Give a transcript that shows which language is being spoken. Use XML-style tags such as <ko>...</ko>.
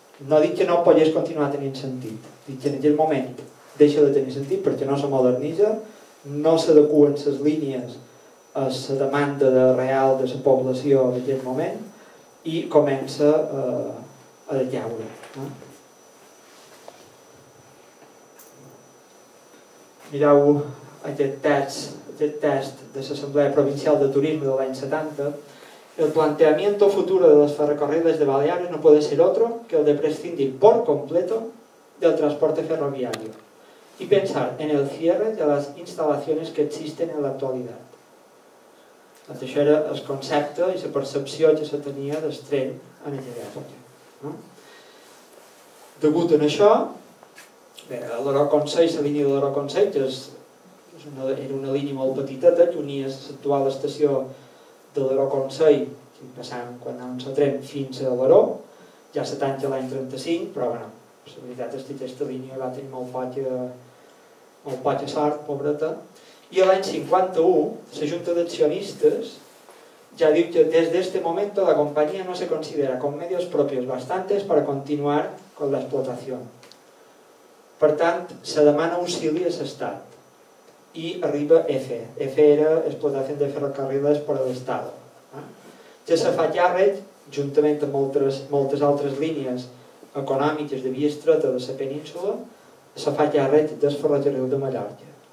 <ca>No dic que no pogués continuar tenint sentit. Dic que en aquest moment deixa de tenir sentit perquè no se modernitza, no s'adecuen les línies a la demanda de real de la població en aquest moment, i comença... a la llaura. Mireu aquest test de l'Assemblea Provincial de Turisme de l'any 70.</ca> <es>El planteamiento futuro de los ferrocarriles de Baleares no puede ser otro que el de prescindir por completo del transporte ferroviario y pensar en el cierre de las instalaciones que existen en la actualidad.</es> <ca>Això era el concepte i la percepció que se tenia del tren en aquella època. No? Degut en això, l'Euroconsell, la línia de l'Euroconsell, que era una línia molt petiteta, que unia l'actual estació de l'Euroconsell, passant quan anàvem a tren fins a l'Euro, ja se tanca l'any 35, però bueno, la veritat és que aquesta línia va tenir molt poca sort, pobreta. I l'any 51, la Junta d'Accionistes ja diu que</ca> <es>des d'este momento la compañía no se considera con medios propios bastantes para continuar con la explotación.</es> <ca>Per tant, se demana auxili a l'Estat i arriba EFE.</ca> <es>EFE era Explotación de Ferrocarriles por el Estado.</es> <ca>Que se fa càrrec juntament amb moltes altres línies econòmiques de via estreta de la península, se fa ja ret del ferrocarril de Mallorca.</ca>